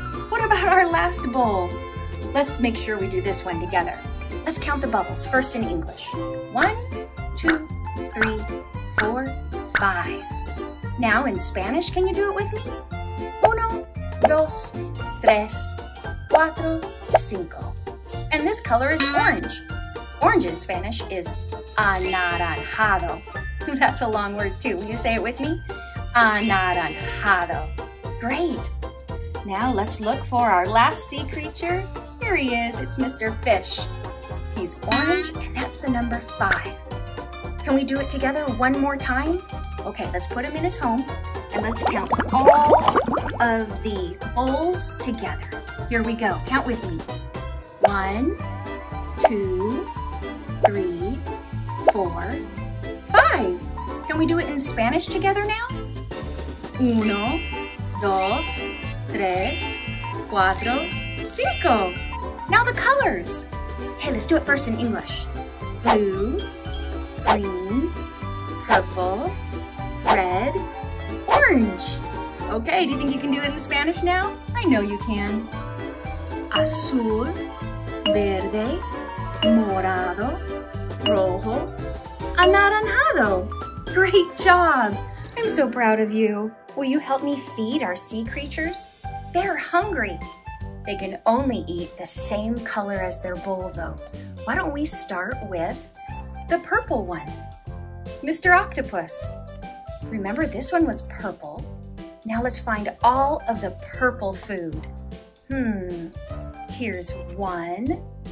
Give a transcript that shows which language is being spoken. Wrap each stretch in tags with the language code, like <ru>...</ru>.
<en>What about our last bowl? Let's make sure we do this one together. Let's count the bubbles, first in English. One, two, three, four, five. Now in Spanish, can you do it with me?</en> <es>Uno, dos, tres, cuatro, cinco.</es> <en>And this color is orange. Orange in Spanish is anaranjado. That's a long word too. Will you say it with me? Anaranjado. Great. Now let's look for our last sea creature. Here he is. It's Mr. Fish. He's orange and that's the number five. Can we do it together one more time? Okay, let's put him in his home and let's count all of the bowls together. Here we go. Count with me. One, two, three, four, five. Can we do it in Spanish together now?</en> <es>Uno, dos, tres, cuatro, cinco.</es> <en>Now the colors. Okay, let's do it first in English. Blue, green, purple, red, orange. Okay, do you think you can do it in Spanish now? I know you can.</en> <es>Azul, verde, morado, rojo, anaranjado.</es> <en>Great job! I'm so proud of you. Will you help me feed our sea creatures? They're hungry. They can only eat the same color as their bowl, though. Why don't we start with the purple one, Mr. Octopus. Remember, this one was purple. Now let's find all of the purple food. Here's one,</en>